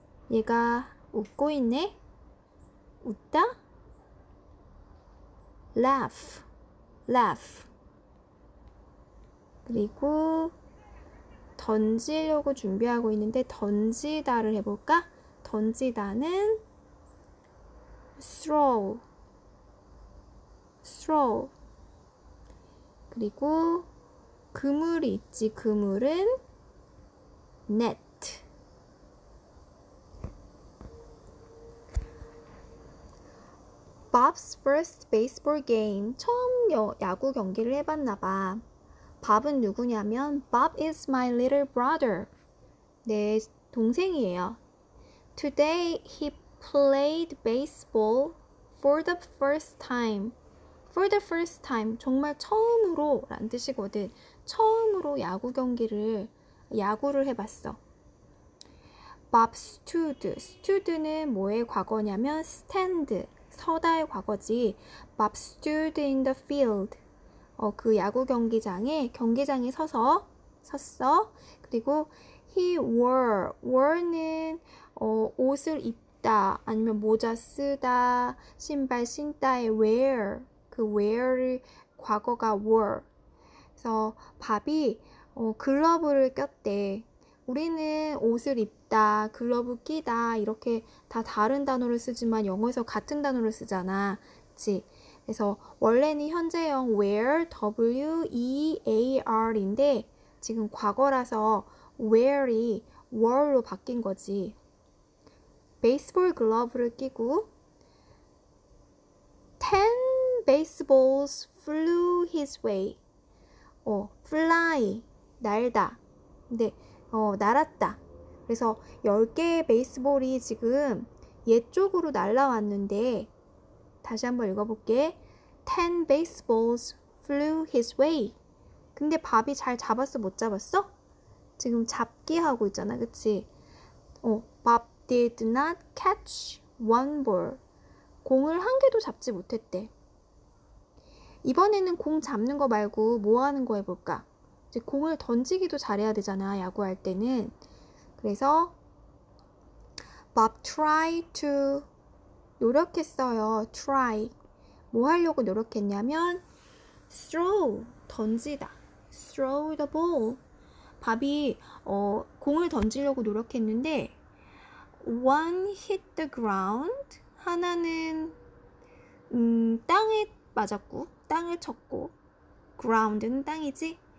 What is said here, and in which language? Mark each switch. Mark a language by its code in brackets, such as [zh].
[ko] 얘가 웃고 있네? 웃다? [en] laugh, laugh. [ko] 그리고 던지려고 준비하고 있는데 던지다를 해볼까? [en] 던지다는 throw, throw. [ko] 그리고 그물이 있지. 그물은 net. [en] 밥's first baseball game. [ko] 처음 야구 경기를 해봤나 봐. 밥은 누구냐면 [en] Bob is my little brother. [ko] 내 동생이에요. [en] Today he played baseball for the first time. For the first time. [ko] 정말 처음으로 라는 뜻이거든. 처음으로 야구를 해봤어. [en] Bob stood. stood는 뭐의 과거냐면 stand. [ko] 서다의 과거지. [en] Bob stood in the field. [ko] 그 야구 경기장에 섰어. 그리고 he wore. wore는 옷을 입다, 아니면 모자 쓰다, 신발 신다의 wear. 그 wear의 과거가 wore. 그래서 밥이 글러브를 꼈대. 우리는 옷을 입다, 글러브 끼다, 이렇게 다 다른 단어를 쓰지만 영어에서 같은 단어를 쓰잖아. 그치? 그래서 원래는 현재형 wear, wear인데 지금 과거라서 wear이 wore로 바뀐 거지. 베이스볼 글러브를 끼고 10 baseballs flew his way. fly, 날다. 근데 날았다. 그래서 10개의 베이스볼이 지금 옛쪽으로 날라왔는데, 다시 한번 읽어볼게. [en] 10 baseballs flew his way. [ko] 근데 밥이 잘 잡았어, 못 잡았어? 지금 잡기 하고 있잖아, 그치? [en] Bob did not catch one ball. [ko] 공을 한 개도 잡지 못했대. 이번에는 공 잡는 거 말고 뭐 하는 거 해볼까? 이제 공을 던지기도 잘해야 되잖아, 야구할 때는. [en] 그래서 Bob tried to 노력했어요. Try. [ko] 뭐 하려고 노력했냐면 throw, 던지다. [en] Throw the ball. [ko] 밥이 공을 던지려고 노력했는데 [en] one hit the ground. [ko] 하나는 땅에 맞았고, 땅을 쳤고, ground는 땅이지.